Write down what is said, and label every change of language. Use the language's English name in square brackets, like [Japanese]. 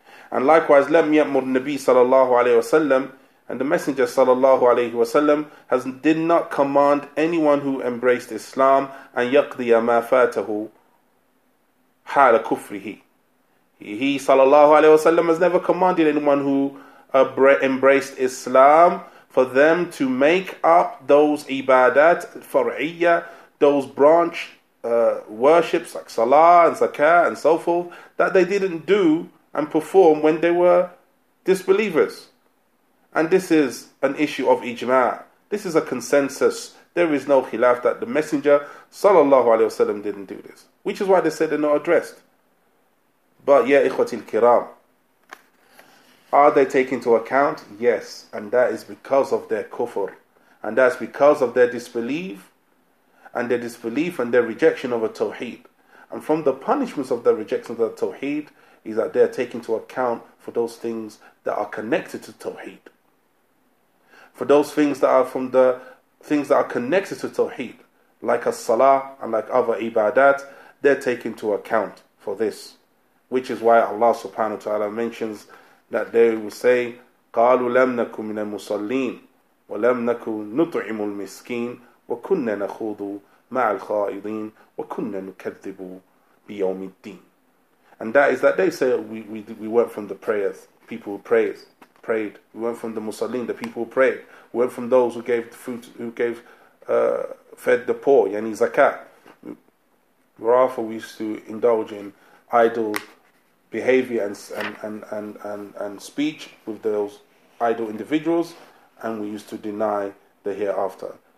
[English] And likewise, [Arabic] لم يأمر النبي صلى الله عليه وسلم, [English] and the Messenger صلى الله عليه وسلم did not command anyone who embraced Islam [Arabic] أن يقضي ما فاته حال كفره. [English] He صلى الله عليه وسلم has never commanded anyone who embraced Islam for them to make up those ibadat فرعية, those branch worships like salah and zakah and so forth, that they didn't do and perform when they were disbelievers. And this is an issue of ijma'. This is a consensus. There is no khilaf that the Messenger sallallahu alayhi wasallam didn't do this. Which is why they said they're not addressed. But yeah, [Arabic] ikhwati al-kiram, [English] are they taken into account? Yes. And that is because of their kufr. And that's because of their disbelief. And their disbelief and their rejection of a tawheed. And from the punishments of the rejection of the tawheed is that they are taken into account for those things that are connected to tawheed. For those things that are from the things that are connected to tawheed, like a salah and like other ibadat, they're taken into account for this. Which is why Allah subhanahu wa ta'ala mentions that they will say, [Arabic] قَالُوا لَمْ نَكُ مِنَ الْمُصَلِّينَ وَلَمْ نَكُ نُطْعِمُ الْمِسْكِينَ وَكُنَّ نَخُوضُ مَعَ الْخَائِضِينَ وَكُنَّ نُكَذِّبُ بِيَوْمِ الدِّينِ. [English] And that is that they say we weren't from the prayers, people who prayed. We weren't from the musallin, the people who prayed. We weren't from those who gave the food, who gave fed the poor, yani zakat. Rather, we used to indulge in idol behavior and speech with those idol individuals, and we used to deny the hereafter.